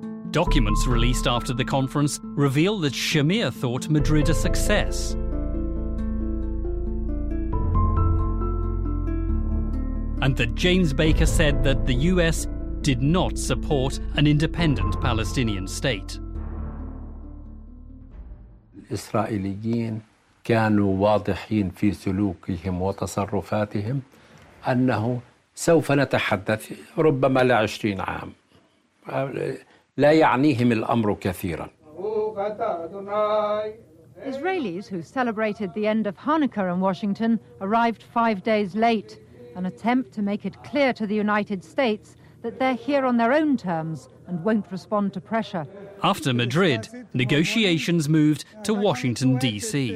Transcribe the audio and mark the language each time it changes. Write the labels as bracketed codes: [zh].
[en] Documents released after the conference reveal that Shamir thought Madrid a success. And that James Baker said that the US did not support an independent Palestinian state. [ar] الإسرائيليين كانوا واضحين في سلوكهم وتصرفاتهم أنه سوف نتحدث ربما لا 20 عام، لا يعنيهم الأمر كثيرا. [en] Israelis who celebrated the end of Hanukkah in Washington arrived 5 days late, an attempt to make it clear to the United States that they're here on their own terms and won't respond to pressure. After Madrid, negotiations moved to Washington, D.C.